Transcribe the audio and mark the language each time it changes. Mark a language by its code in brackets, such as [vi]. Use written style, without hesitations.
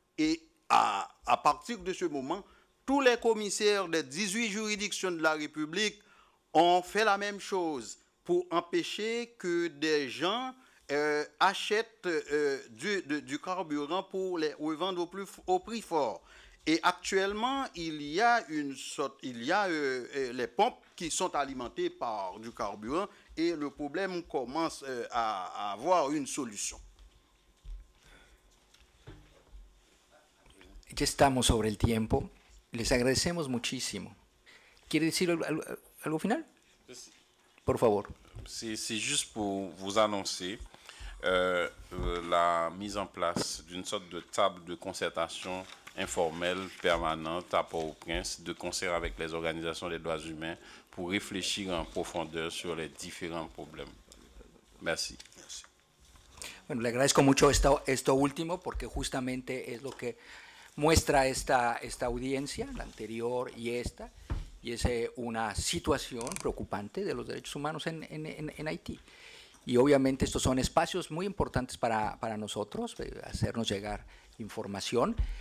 [fr] Et à partir de ce moment, tous les commissaires des 18 juridictions de la République on fait la même chose pour empêcher que des gens achètent du carburant pour les revendre au prix fort. Et actuellement, il y a les pompes qui sont alimentées par du carburant et le problème commence à avoir une solution. [es] Ya estamos sobre el tiempo. Les agradecemos muchísimo. ¿Quiere decir algo final? Por favor. [fr] C'est juste pour vous annoncer la mise en place d'une sorte de table de concertation informelle permanente à Port-au-Prince, de concert avec les organisations des droits humains, pour réfléchir en profondeur sur les différents problèmes. Merci. Merci. [es] Bueno, le agradezco mucho esto último, porque justamente es lo que muestra esta audiencia, la anterior y esta. Y es una situación preocupante de los derechos humanos en Haití. Y obviamente estos son espacios muy importantes para nosotros, hacernos llegar información.